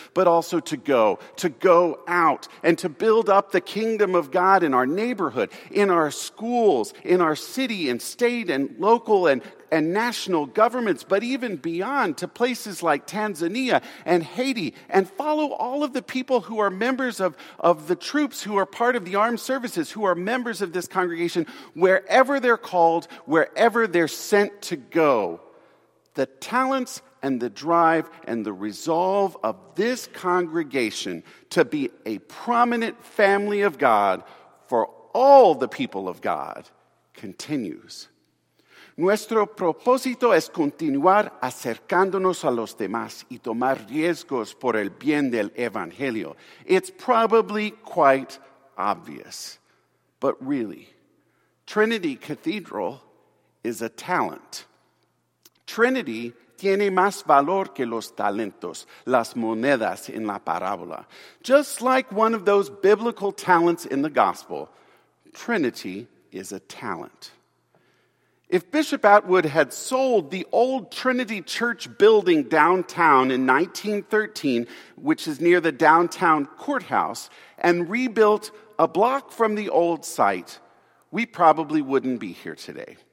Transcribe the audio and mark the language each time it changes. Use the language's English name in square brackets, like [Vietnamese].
[English] but also to go out and to build up the kingdom of God in our neighborhood, in our schools, in our city and state and local and national governments, but even beyond to places like Tanzania and Haiti, and follow all of the people who are members of the troops, who are part of the armed services, who are members of this congregation, wherever they're called, wherever they're sent to go. The talents and the drive and the resolve of this congregation to be a prominent family of God for all the people of God continues. [Spanish] Nuestro propósito es continuar acercándonos a los demás y tomar riesgos por el bien del Evangelio. [English] It's probably quite obvious, but really, Trinity Cathedral is a talent. [Spanish] Trinity tiene más valor que los talentos, las monedas en la parábola. [English] Just like one of those biblical talents in the gospel, Trinity is a talent. If Bishop Atwood had sold the old Trinity Church building downtown in 1913, which is near the downtown courthouse, and rebuilt a block from the old site, we probably wouldn't be here today.